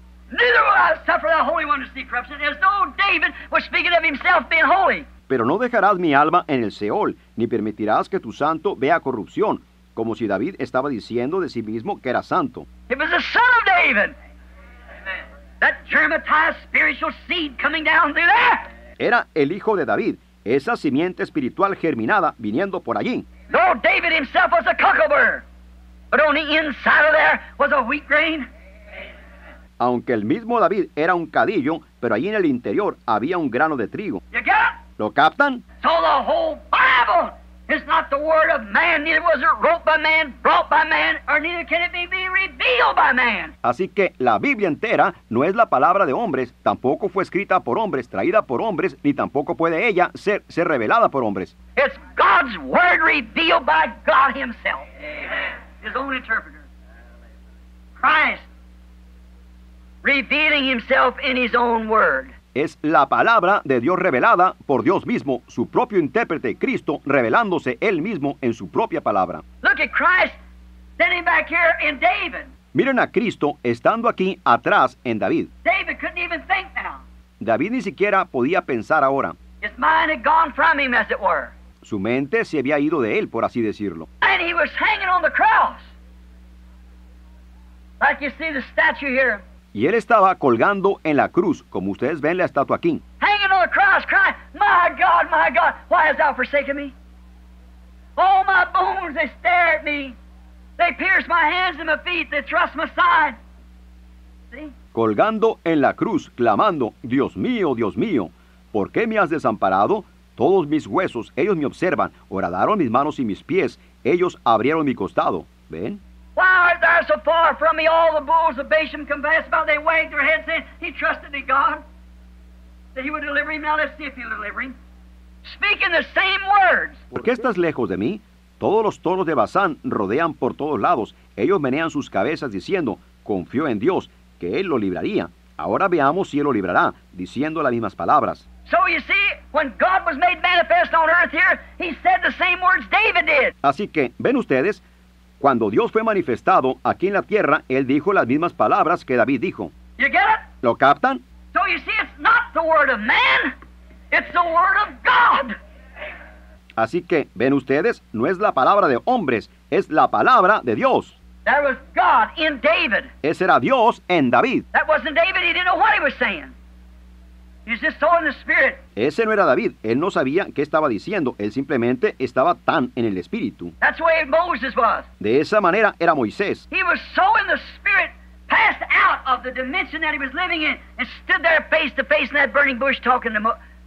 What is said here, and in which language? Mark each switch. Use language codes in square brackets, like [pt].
[en] Neither will I suffer the Holy One to see corruption, as though David was speaking of himself being holy. [es] Pero no dejarás mi alma en el Seol, ni permitirás que tu santo vea corrupción, como si David estaba diciendo de sí mismo que era santo. [en] It was the son of David. Amen. That germatized spiritual seed coming down through there. [es] Era el hijo de David, esa simiente espiritual germinada viniendo por allí. [en] Though David himself was a cucklebur, but on the inside of there was a wheat grain. [es] Aunque el mismo David era un cadillo, pero allí en el interior había un grano de trigo. [en] You get it? [es] ¿Lo captan? [en] So the whole Bible is not the word of man, neither was it wrote by man, brought by man, or neither can it be revealed by man. [es] Así que la Biblia entera no es la palabra de hombres, tampoco fue escrita por hombres, traída por hombres, ni tampoco puede ella ser revelada por hombres. [en] It's God's word revealed by God himself. His own interpreter. Christ revealing himself in his own word. [es] Es la palabra de Dios revelada por Dios mismo, su propio intérprete, Cristo, revelándose él mismo en su propia palabra. [en] Look at Christ standing back here in David. [es] Miren a Cristo estando aquí atrás en David. [en] David couldn't even think now. [es] David ni siquiera podía pensar ahora. [en] His mind had gone from him, as it were. [es] Su mente se había ido de él, por así decirlo. [en] And he was hanging on the cross. Like you see the statue here. [es] Y él estaba colgando en la cruz, como ustedes ven la estatua aquí. [en] Hanging on the cross, crying, my God, why hast thou forsaken me? Oh, my bones, they stare at me. They pierce my hands and my feet, they thrust my side. See? [es] Colgando en la cruz, clamando, Dios mío, ¿por qué me has desamparado? Todos mis huesos, ellos me observan, horadaron mis manos y mis pies, ellos abrieron mi costado. ¿Ven? [en] Why art thou so far from me? All the bulls of Bashan confessed about, they wagged their heads saying, he trusted in God, that he would deliver him. Now let's see if he'll deliver him. Speaking the same words. [es] ¿Por qué estás lejos de mí? Todos los toros de Basán rodean por todos lados. Ellos menean sus cabezas diciendo, confío en Dios, que él lo libraría. Ahora veamos si él lo librará, diciendo las mismas palabras. [en] So you see, when God was made manifest on earth here, he said the same words David did. [es] Así que, ven ustedes, cuando Dios fue manifestado aquí en la tierra, él dijo las mismas palabras que David dijo. [en] You get it? [es] ¿Lo captan? [en] So you see, it's not the word of man, it's the word of God. [es] Así que, ven ustedes, no es la palabra de hombres, es la palabra de Dios. [en] There was God in David. [es] Ese era Dios en David. [en] That wasn't David. He didn't know what he was saying. He was just so in the spirit. [es] Ese no era David. Él no sabía qué estaba diciendo. Él simplemente estaba tan en el espíritu. [en] That's the way Moses was. [es] De esa manera era Moisés. [en] He was so in the spirit, passed out of the dimension that he was living in, and stood there face to face in that burning bush talking to Moses.